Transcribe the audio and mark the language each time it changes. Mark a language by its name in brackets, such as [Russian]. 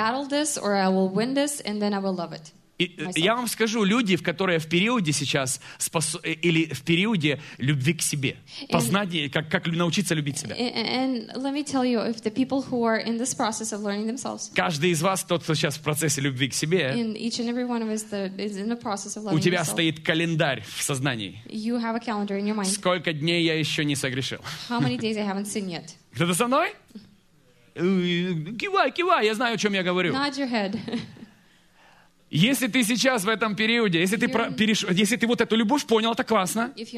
[English] This, or I will win this, and then I will love it. [Russian] Я вам скажу, люди, в которые в периоде сейчас или в периоде любви к себе, познание, как научиться любить себя. [English] And let me tell you, if the people who are in this process of learning themselves. [Russian] Каждый из вас тот, кто сейчас в процессе любви к себе. [English] And each and every one of us is in the process of loving. [Russian] У тебя [English] yourself. [Russian] Стоит календарь в сознании. [English] You have a calendar in your mind. [Russian] Сколько дней я еще не согрешил? [English] How many days I haven't sinned yet? [Russian] Кто-то со мной? Кивай, кивай, я знаю, о чем я говорю. [English] Nod your head. [Russian] Если ты сейчас в этом периоде, если ты если ты вот эту любовь понял, это классно.